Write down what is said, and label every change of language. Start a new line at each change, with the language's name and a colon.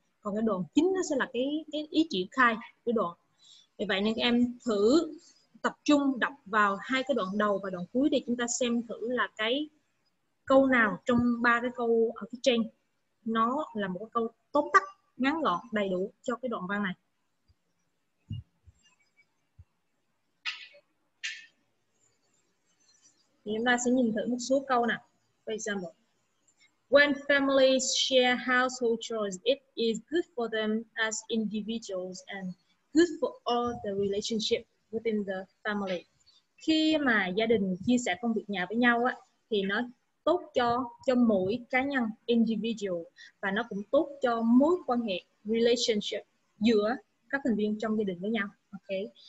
Vietnamese: Còn cái đoạn chính nó sẽ là cái ý triển khai cái đoạn. Vì vậy nên các em thử tập trung đọc vào hai cái đoạn đầu và đoạn cuối để chúng ta xem thử là cái câu nào trong ba cái câu ở phía trên nó là một câu tóm tắt ngắn gọn đầy đủ cho cái đoạn văn này. Thì chúng ta sẽ nhìn thử một số câu nè.
English: For example, when families share household chores, it is good for them as individuals and good for all the relationship within the family.
Vietnamese: Khi mà gia đình chia sẻ công việc nhà với nhau á, thì nó tốt cho mỗi cá nhân individual và nó cũng tốt cho mối quan hệ relationship giữa các thành viên trong gia đình với nhau. Okay.